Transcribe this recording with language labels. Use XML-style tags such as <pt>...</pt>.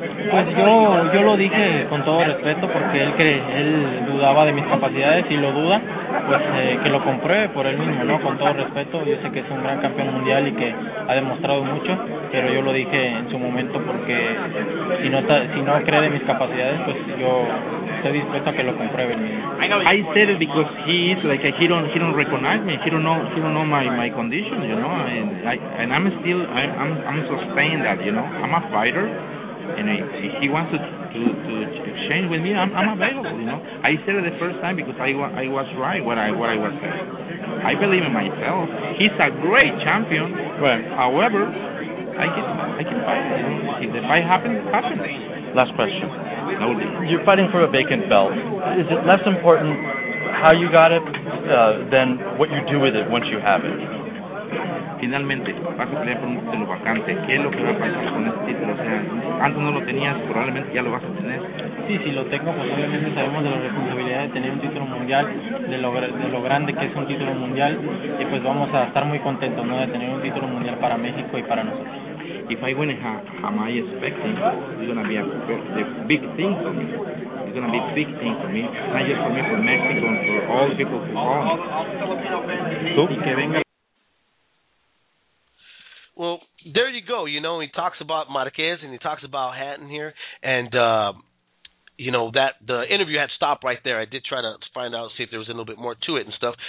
<es>Pues yo lo dije con todo respeto porque él dudaba de mis capacidades y lo duda, pues que lo compruebe por él mismo, ¿no? Con todo respeto, yo sé que es un gran campeón mundial y que ha demostrado mucho, pero yo lo dije en su momento porque si no cree de mis capacidades, pues yo estoy dispuesto a que lo compruebe.</es> <en>I said it because he is like he don't recognize me, he don't know my condition, you know, and I'm still sustaining that, you know, I'm a fighter. And if he wants to exchange with me, I'm available, you know. I said it the first time because I was right what I was saying. I believe in myself. He's a great champion. Right. However, I can fight. You know? If the fight happens, it happens. Last question. No, you're fighting for a vacant belt. Is it less important how you got it than what you do with it once you have it?</en> <es>Finalmente, vas a pelear por un título vacante. ¿Qué es lo que va a pasar con este título? O sea, antes no lo tenías, probablemente ya lo vas a tener. Sí, si lo tengo, pues obviamente sabemos de la responsabilidad de tener un título mundial, de lo grande que es un título mundial, y pues vamos a estar muy contentos, ¿no?, de tener un título mundial para México y para nosotros.</es> <en>If I win, am I expecting? It's going to be a big thing for me. It's going to be a big thing for me. Not just for me, for Mexico, and for all the people who call me. Well, there you go. You know, he talks about Marquez and he talks about Hatton here. And, you know, that the interview had stopped right there. I did try to find out, see if there was a little bit more to it and stuff.</en>